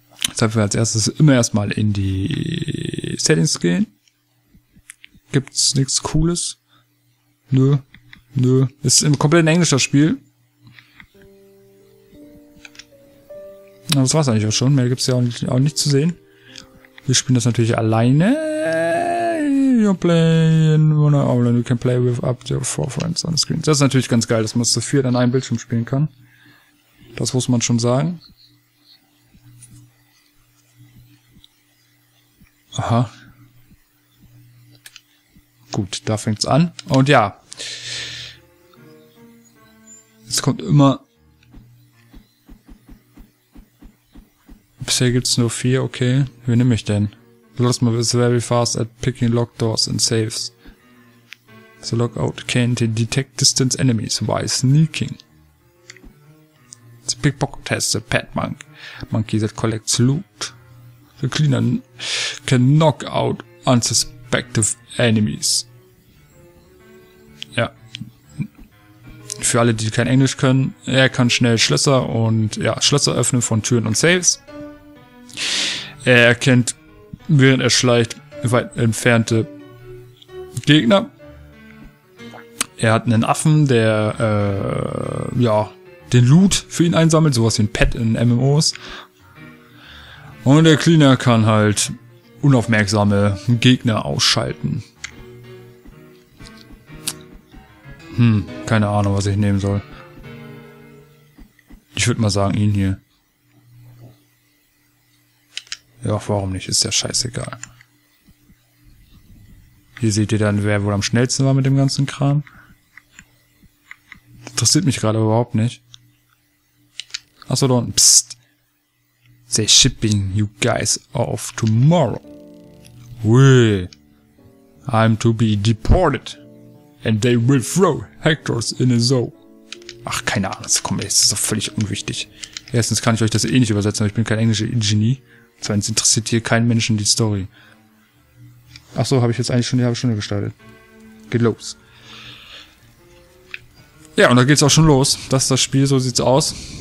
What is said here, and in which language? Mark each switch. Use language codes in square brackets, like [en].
[de] Deshalb wir als erstes immer erstmal in die Settings gehen. Gibt's nichts Cooles? Nö. Nö. Ist im kompletten Englisch das Spiel. Na, das war's eigentlich auch schon. Mehr gibt's ja auch nicht zu sehen. Wir spielen das natürlich alleine. [en] You're playing one hour, you can play with up to 4 friends on the screen. [de] Das ist natürlich ganz geil, dass man so 4 an einem Bildschirm spielen kann. Das muss man schon sagen. Aha. Gut, da fängt's an. Und ja. Es kommt immer... Bisher gibt's nur 4, okay. Wen nehme ich denn? [en] Lost Map is very fast at picking locked doors and safes. The lockout can't detect distant enemies while sneaking. The pickpocket has a pet monkey that collects loot. The cleaner can knock out unsuspected enemies. [de] Ja. Für alle, die kein Englisch können, er kann schnell Schlösser öffnen von Türen und Safes. Er erkennt, während er schleicht, weit entfernte Gegner. Er hat einen Affen, der den Loot für ihn einsammelt, sowas wie ein Pet in MMOs. Und der Cleaner kann halt unaufmerksame Gegner ausschalten. Keine Ahnung, was ich nehmen soll. Ich würde mal sagen, ihn hier. Ja, warum nicht? Ist ja scheißegal. Hier seht ihr dann, wer wohl am schnellsten war mit dem ganzen Kram. Interessiert mich gerade überhaupt nicht. Achso, da unten. Psst. [en] They're shipping you guys off tomorrow. Wee. I'm to be deported. And they will throw Hectors in a zoo. [de] Ach, keine Ahnung. Das, komm, das ist doch völlig unwichtig. Erstens kann ich euch das eh nicht übersetzen, aber ich bin kein englischer Genie. Zweitens interessiert hier keinen Menschen die Story. Ach so, habe ich jetzt eigentlich schon die halbe Stunde gestartet. Geht los. Ja, und da geht's auch schon los. Das ist das Spiel, so sieht's aus.